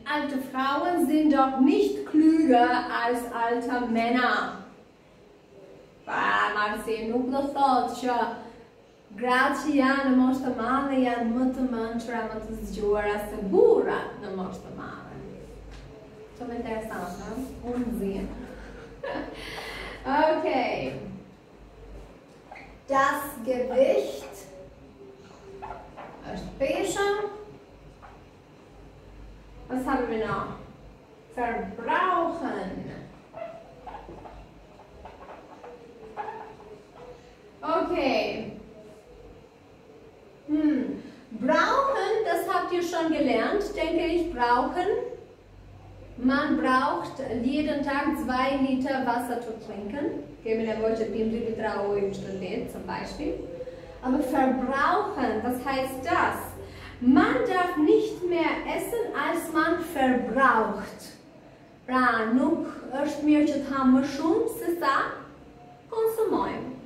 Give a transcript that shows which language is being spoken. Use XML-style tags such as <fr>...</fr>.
<de>Alte Frauen sind doch nicht klüger als alte Männer.</de> <sq>Ah, Marsi, nuk do thot që gratë që janë në moshë të madhe janë më të mençura, më të zgjuara se burra në moshë të madhe. Shumë interesante, unsinn. Okay.</sq> <de>Das Gewicht</de> <sq>është pesha.</sq> <de>Was haben wir noch? Verbrauchen. Okay. Brauchen, das habt ihr schon gelernt, denke ich, brauchen. Man braucht jeden Tag 2 Liter Wasser zu trinken. Geben wir wohl schon 5 Liter im Studium zum Beispiel. Aber verbrauchen, was heißt das? Man darf nicht mehr essen, als man verbraucht.</de> <sq>Pra, nuk është mirë që të hamë shumë, se sa konsumojmë.</sq>